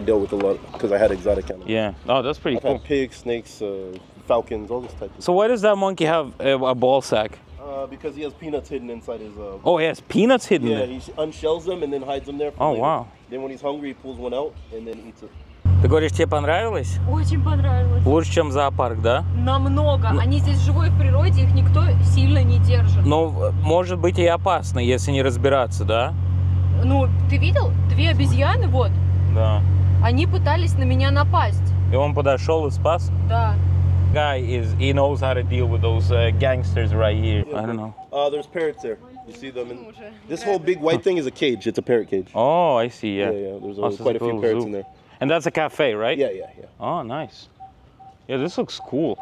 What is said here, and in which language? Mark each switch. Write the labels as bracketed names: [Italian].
[English] I dealt with a lot because I had exotic animals. Yeah. Oh, that's pretty cool. I've had pigs, snakes, falcons, all this type of stuff. So why does that monkey have a ball sack? Because he has peanuts hidden inside his... he has peanuts hidden? Yeah, he unshells them and then hides them there. Oh, wow. Then when he's hungry, he pulls one out and then eats it. [Russian] Ты говоришь, тебе понравилось? Очень понравилось. Лучше, чем зоопарк, да? Намного. Но... Они здесь живой в природе, их никто сильно не держит. Но может быть и опасно, если не разбираться, да? Ну, ты видел? Две обезьяны, вот. Да. Они пытались на меня напасть. И он подошел и спас? Да. [English] Guy is, he knows how to deal with those gangsters right here. Yeah, I don't know. There's parrots there. You see them? And this whole big white thing is a cage. It's a parrot cage. Oh, I see. Yeah. Yeah, yeah. There's quite a few parrots in there. And that's a cafe, right? Yeah, yeah, yeah. Oh, nice. Yeah, this looks cool.